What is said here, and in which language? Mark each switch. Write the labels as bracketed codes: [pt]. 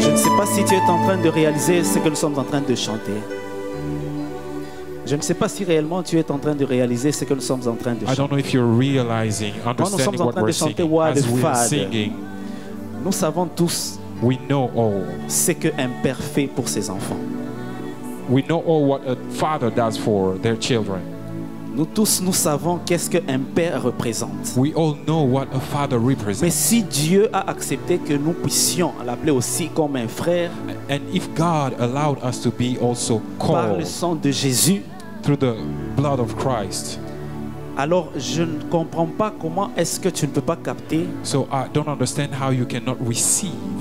[fr] Je ne sais pas si tu es en train de réaliser ce que nous sommes en train de chanter. Je ne sais pas si réellement tu es en train de réaliser ce que nous sommes en train de chanter. [en] I don't know if you're realizing, understanding what we're singing. [fr] Quand nous sommes en train de chanter Word of Father, nous savons tous [en] we know all [fr] ce qu'un père fait pour ses enfants. [en] We know all what a father does for their children. [fr] Nous tous, nous savons qu'est-ce qu'un père représente. [en] We all know what a father represents. [fr] Mais si Dieu a accepté que nous puissions l'appeler aussi comme un frère, [en] and if God allowed us to be also called [fr] par le sang de Jésus, [en] through the blood of Christ, [fr] alors je ne comprends pas comment est-ce que tu ne peux pas capter. [en] So I don't understand how you cannot receive.